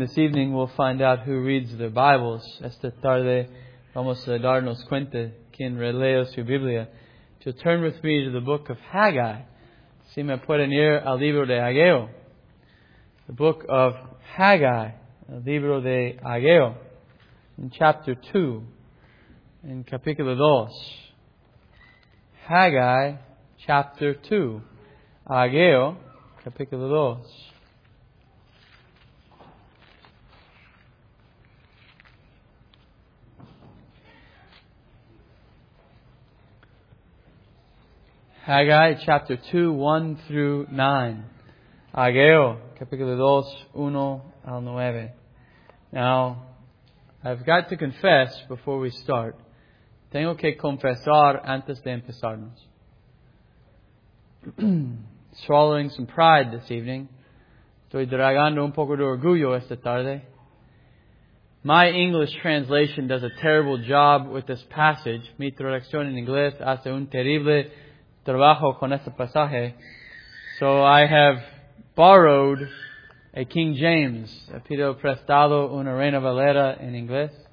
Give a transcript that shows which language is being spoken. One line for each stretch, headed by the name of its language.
English: This evening we'll find out who reads their Bibles.
Spanish: Esta tarde vamos a darnos cuenta quien relee su Biblia.
English: So turn with me to the book of Haggai.
Spanish: Si me pueden ir al libro de Ageo.
English: The book of Haggai,
Spanish: el libro de Ageo,
English: in chapter 2, in
Spanish: capítulo 2.
English: Haggai, chapter 2, Ageo,
Spanish: capítulo 2.
English: Haggai chapter 2, 1 through 9.
Spanish: Ageo, capítulo 2, 1 al 9.
English: Now, I've got to confess before we start.
Spanish: Tengo que confesar antes de empezarnos.
English: Swallowing some pride this evening.
Spanish: Estoy dragando un poco de orgullo esta tarde.
English: My English translation does a terrible job with this passage.
Spanish: Mi traducción en inglés hace un terrible trabajo con este pasaje.
English: So I have borrowed a King James.
Spanish: He pido prestado una Reina Valera en inglés.